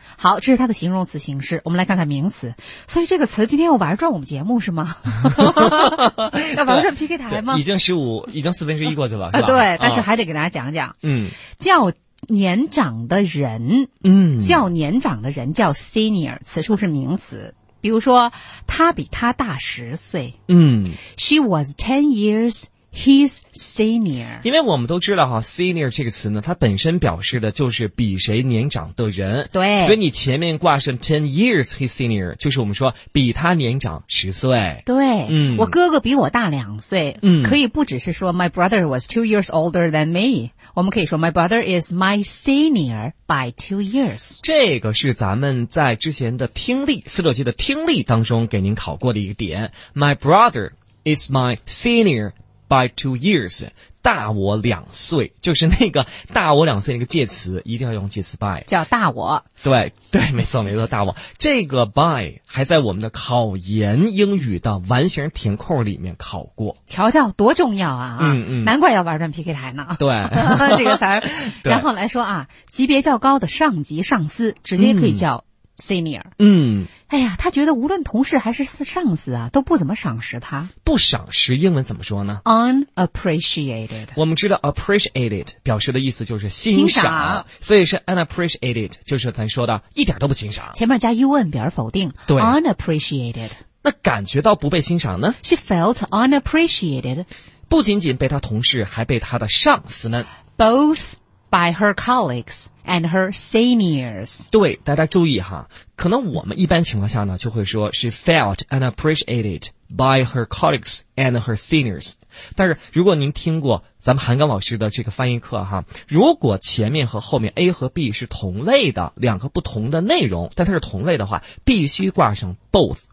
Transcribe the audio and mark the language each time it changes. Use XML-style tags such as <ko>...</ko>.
<zh>好，这是它的形容词形式，我们来看看名词。所以这个词今天要玩转我们节目是吗？要玩转 PK 台吗？已经四分之一过去了，对，但是还得给大家讲讲，叫年长的人，叫年长的人叫 senior， 此处是名词。比如说他比他大十岁，</zh> <en>She was 10 years his senior。</en> <zh>因为我们都知道哈 senior 这个词呢，它本身表示的就是比谁年长的人，对，所以你前面挂上</zh> <en>10 years his senior</en> <zh>就是我们说比他年长十岁，对，我哥哥比我大两岁，可以不只是说</zh> <en>my brother was 2 years older than me，</en> <zh>我们可以说</zh> <en>my brother is my senior by 2 years。</en> <zh>这个是咱们在之前的听力四六级的听力当中给您考过的一个点，</zh> <en>my brother is my seniorby 2 years，</en> <zh>大我两岁，就是那个大我两岁那个介词一定要用介词 by，叫大我，对对，没错没错，大我。这个 by 还在我们的考研英语的完形填空里面考过，瞧瞧多重要啊。难怪要玩转 PK 台呢，对这个词儿。然后来说啊，级别较高的上级上司直接可以叫</zh> <en>senior。嗯，</en> <zh>哎呀，他觉得无论同事还是上司啊，都不怎么赏识他。不赏识英文怎么说呢？</zh> <en>unappreciated。</en> <zh>我们知道 appreciated 表示的意思就是欣赏，所以是 unappreciated 就是咱说的一点都不欣赏，前面加 un 表示否定。对，</zh> <en>unappreciated。</en> <zh>那感觉到不被欣赏呢？</zh> <en>She felt unappreciated。</en> <zh>不仅仅被他同事，还被他的上司们。</zh> <en>Both by her colleagues and her seniors。</en> <zh>对，大家注意哈，可能我们一般情况下呢，就会说</zh> <en>She felt unappreciated by her colleagues and her seniors。</en> <zh>但是如果您听过咱们韩刚老师的这个翻译课哈，如果前面和后面 A 和 B 是同类的，两个不同的内容，但它是同类的话，必须挂上 both。</zh>